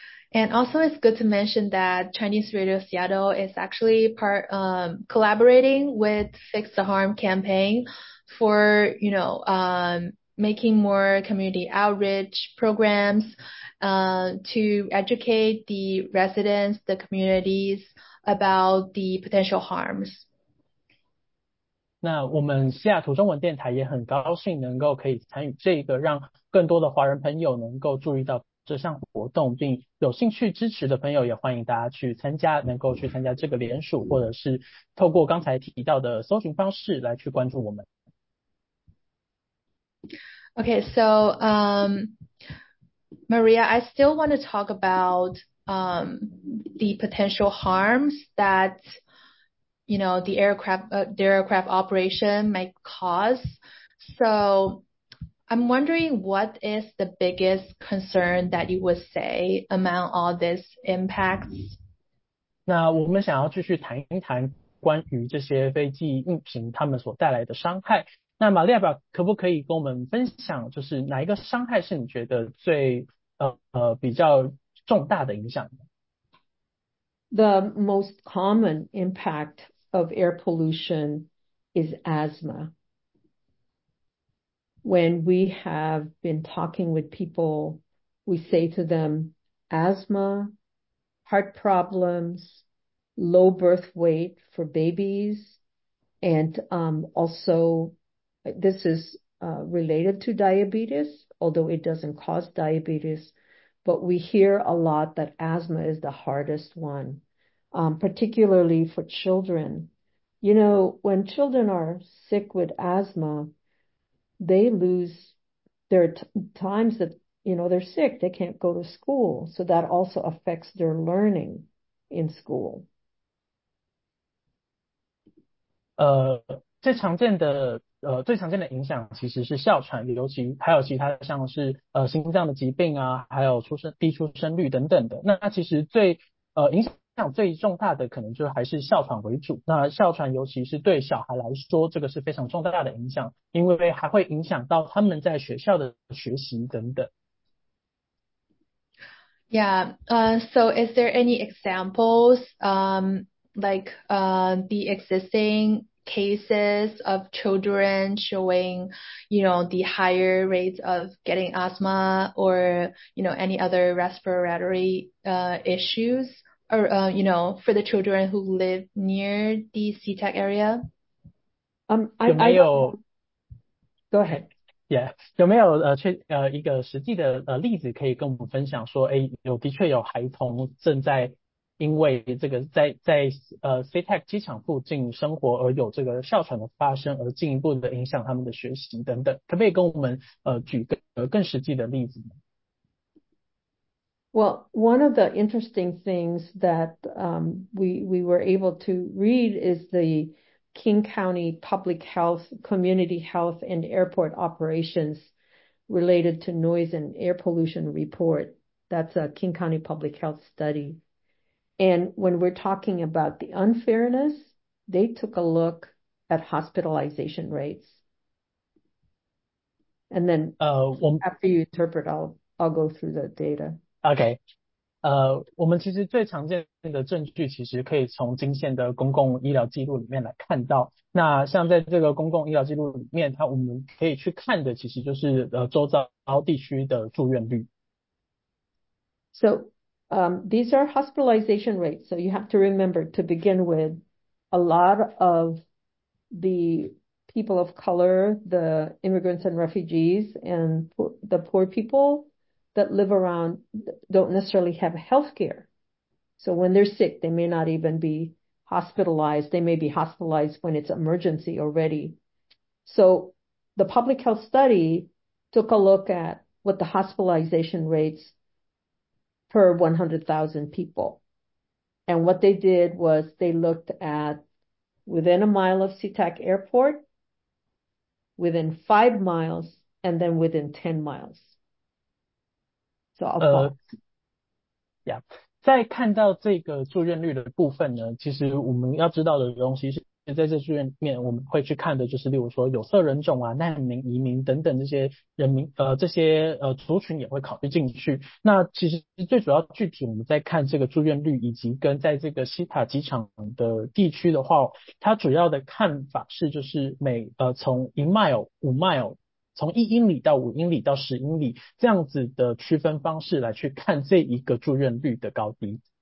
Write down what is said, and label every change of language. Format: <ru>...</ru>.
<en>And also it's good to mention that Chinese Radio Seattle is actually part, collaborating with Fix the Harm campaign for, you know, making more community outreach programs, to educate the residents, the communities about the potential harms.</en> <zh>那我们西雅图中文电台也很高兴能够可以参与这个，让更多的华人朋友能够注意到这项活动，并有兴趣支持的朋友也欢迎大家去参加，能够去参加这个联署，或者是透过刚才提到的搜寻方式来去关注我们。</zh> <en>Okay, so Maria, I still want to talk about the potential harms that, you know, the aircraft operation might cause. So I'm wondering what is the biggest concern that you would say among all these impacts?</en> <zh>那我们想要继续谈一谈关于这些飞机运行他们所带来的伤害。那玛利亚表可不可以跟我们分享，就是哪一个伤害是你觉得最比较重大的影响？</zh> <en>The most common impact of air pollution is asthma. When we have been talking with people, we say to them, asthma, heart problems, low birth weight for babies, and also this is related to diabetes, although it doesn't cause diabetes, but we hear a lot that asthma is the hardest one, particularly for children. You know, when children are sick with asthma, they lose their times that, you know, they're sick, they can't go to school. So that also affects their learning in school.</en> <zh>最常见的影响其实是哮喘，尤其还有其他像是心脏的疾病啊，还有低出生率等等的。那其实影响最重大的可能就还是哮喘为主。那哮喘尤其是对小孩来说，这个是非常重大的影响，因为还会影响到他们在学校的学习等等。</zh> <en>So is there any examples, the existing cases of children showing, you know, the higher rates of getting asthma or, you know, any other respiratory issues, or, you know, for the children who live near the SeaTac area? Go ahead.</en> <zh>Yeah, 有没有一个实际的例子可以跟我们分享说，的确有孩童正在因为这个在SeaTac 机场附近生活而有这个哮喘的发生，而进一步的影响他们的学习等等，可不可以跟我们举更实际的例子呢？</zh> <en>Well, one of the interesting things that we were able to read is the King County Public Health, Community Health, and Airport Operations Related to Noise and Air Pollution Report. That's a King County Public Health study. And when we're talking about the unfairness, they took a look at hospitalization rates. And then after you interpret, I'll go through the data. Okay.</en> <zh>我们其实最常见的证据其实可以从金县的公共医疗记录里面来看到。那像在这个公共医疗记录里面，它我们可以去看的其实就是周遭地区的住院率。</zh> <en>So, these are hospitalization rates. So you have to remember, to begin with, a lot of the people of color, the immigrants and refugees, and the poor people,that live around don't necessarily have health care. So when they're sick, they may not even be hospitalized. They may be hospitalized when it's emergency already. So the public health study took a look at what the hospitalization rates per 100,000 people. And what they did was they looked at within a mile of SeaTac Airport, within 5 miles, and then within 10 miles.</en> <zh>在看到这个住院率的部分呢，其实我们要知道的东西是在这住院里面我们会去看的就是例如说有色人种啊、难民、移民等等这些人民这些族群也会考虑进去。那其实最主要具体我们在看这个住院率以及跟在这个西塔机场的地区的话，它主要的看法是就是每从</zh> <en>1 mile, 5 mile,</en> <zh>从1英里到5英里到10英里这样子的区分方式来去看这一个住院率的高低。</zh>